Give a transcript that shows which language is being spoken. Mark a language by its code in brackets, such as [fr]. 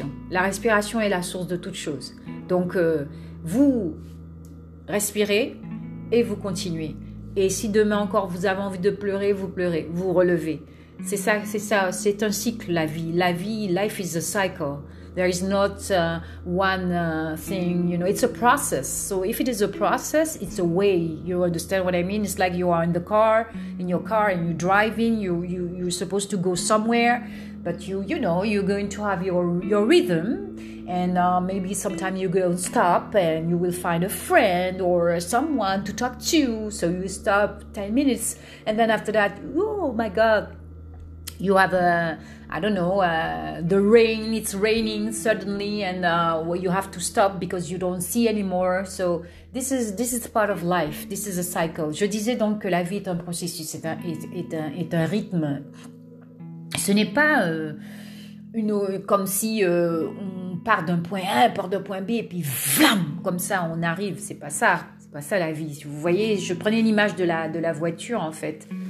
[fr] La respiration est la source de toute chose. Donc vous respirez et vous continuez. Et si demain encore vous avez envie de pleurer, vous relevez. C'est ça, c'est un cycle, la vie. La vie, [en] life is a cycle. There is not one thing, you know, it's a process. So if it is a process, it's a way. You understand what I mean? It's like you are in the car, in your car, and you're driving, you're supposed to go somewhere, but you know, you're going to have your rhythm. And maybe sometime you go stop and you will find a friend or someone to talk to. So you stop 10 minutes. And then after that, oh my God, you have the rain. It's raining suddenly, and you have to stop because you don't see anymore. So this is part of life. This is a cycle. [fr] Je disais donc que la vie est un processus, est un rythme. Ce n'est pas on part d'un point A, part d'un point B, et puis vlam, comme ça on arrive. C'est pas ça la vie. Vous voyez, je prenais l'image de la voiture en fait.